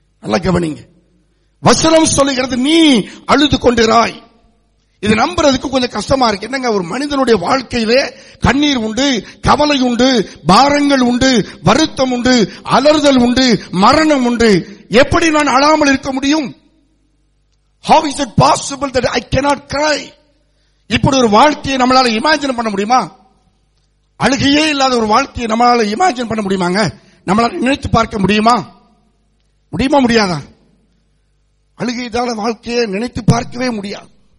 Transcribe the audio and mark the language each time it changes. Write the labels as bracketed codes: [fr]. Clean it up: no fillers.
[ta] நல்லா கவனிங்க, வசனம் சொல்லுகிறது, நீ அழுது கொண்டிராய். இது நம்புறதுக்கு கொஞ்சம் கஷ்டமா இருக்கு. என்னங்க, ஒரு மனிதனுடைய வாழ்க்கையிலே கண்ணீர் உண்டு, கவலை உண்டு, பாரங்கள் உண்டு, வருத்தம் உண்டு, அலறுதல் உண்டு, மரணம் உண்டு. எப்படி நான் அழாமல் இருக்க முடியும்? [en] How is it possible that I cannot cry? [ta] இப்படி ஒரு வாழ்க்கையை நம்மளால இமேஜின் பண்ண முடியுமா? அழுகையே இல்லாத ஒரு வாழ்க்கையை நம்மளால இமேஜின் பண்ண முடியுமாங்க? நம்மளால நினைத்து பார்க்க முடியுமா? முடியுமா? முடியாதா? அழுகைதான வாழ்க்கையை நினைத்து பார்க்கவே முடியாது.